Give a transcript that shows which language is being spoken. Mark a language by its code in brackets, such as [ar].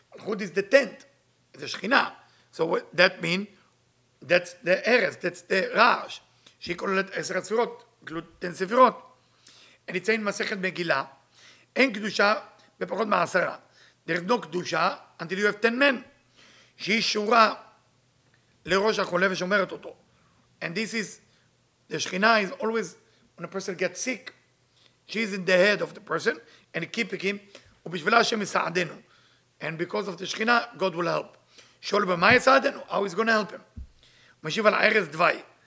[en] מלכות is the tent, [he] זה שכינה. [en] So that means, that's the eres, that's the רעש. [he] שהיא כוללת עשר הספירות, כלות [en] ten [he] ספירות. אני אציין מסכת מגילה, אין קדושה בפחות מעשרה. [en] There's no קדושה, until you have 10 men. [he] שהיא שורה לראש החולה ושומרת אותו. [en] And this is, the שכינה is always, when a person gets sick, she's in the head of the person, and keep him, [he] ובשבילה השם יסעדנו. [en] And because of the שכינה, God will help. [he] שואל במה יסעדנו? [en] How is going to help him? [he] משיב על ערס דווי.